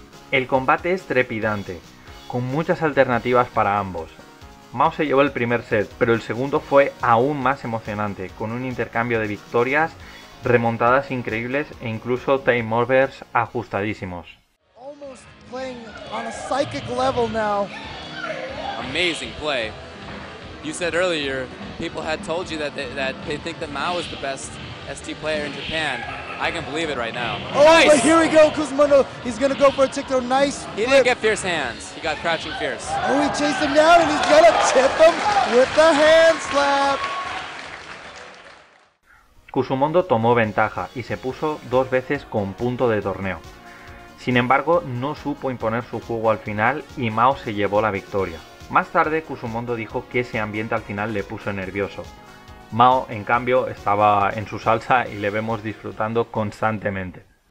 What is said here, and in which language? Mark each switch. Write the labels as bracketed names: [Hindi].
[Spanish] El combate es trepidante, con muchas alternativas para ambos. Mao se llevó el primer set, pero el segundo fue aún más emocionante, con un intercambio de victorias, remontadas increíbles e incluso time overs ajustadísimos. [English] Almost playing on a psychic level now. Amazing play. You said earlier people had told you that they think that Mao is the best ST player in Japan. I can believe it right now. Oh, nice. But here we go, Kusumondo. He's gonna go for a tick throw. Nice. He flip. Didn't get fierce hands. He got crouching fierce. Oh, he chased him down and he's gonna tip him with the hand slap. [Spanish] Kusumondo tomó ventaja y se puso dos veces con punto de torneo. Sin embargo, no supo imponer su juego al final y Mao se llevó la victoria. Más tarde, Kusumondo dijo que ese ambiente al final le puso nervioso. Mao, en cambio, estaba en su salsa y le vemos disfrutando constantemente.